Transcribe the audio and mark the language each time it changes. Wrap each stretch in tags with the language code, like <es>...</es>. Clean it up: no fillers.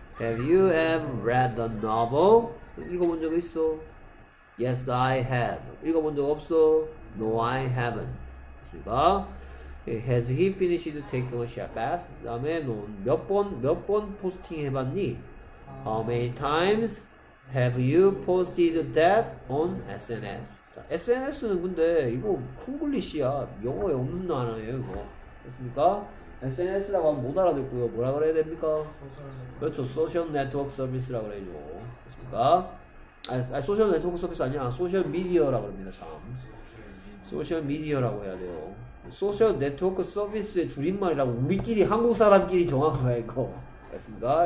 <en>Have you ever read the novel?</en> <ko>읽어본 적 있어?</ko> <en>Yes, I have.</en> <ko>읽어본 적 없어?</ko> <en>No, I haven't.</en> <ko>됐습니까?</ko> <en>Has he finished taking a shower bath?</en> <ko>그 다음에 넌 몇 번 포스팅 해봤니?</ko> <en>How many times have you posted that on SNS?</en> <ko>SNS는 근데 이거 콩글리시야. 영어에 없는 단어예요 이거. 됐습니까? SNS라고 하면 못 알아듣고요. 뭐라 그래야 됩니까? 그렇죠. 소셜 네트워크 서비스라고 그래요. 됐습니까? 아니 소셜 네트워크 서비스 아니라 소셜 미디어라고 그럽니다. 참. 소셜 미디어라고 해야 돼요. 소셜 네트워크 서비스의 줄임말이라고 우리끼리 한국 사람끼리 정한 거야 이거. 알겠습니까?</ko>